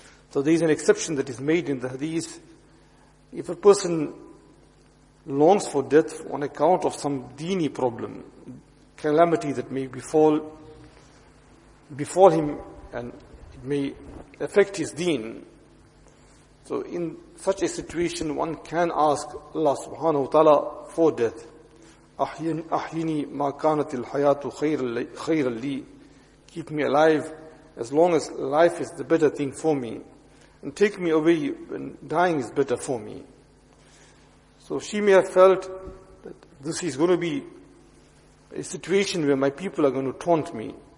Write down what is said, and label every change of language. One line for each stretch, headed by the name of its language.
English: So there is an exception that is made in the hadith. If a person longs for death on account of some dini problem, calamity that may befall him and it may affect his deen. So in such a situation, one can ask Allah subhanahu wa ta'ala for death.
Arabic: أحيني ما كانت الحياة خيرا لي.
English: Keep me alive as long as life is the better thing for me. And take me away when dying is better for me. So she may have felt that this is going to be a situation where my people are going to taunt me.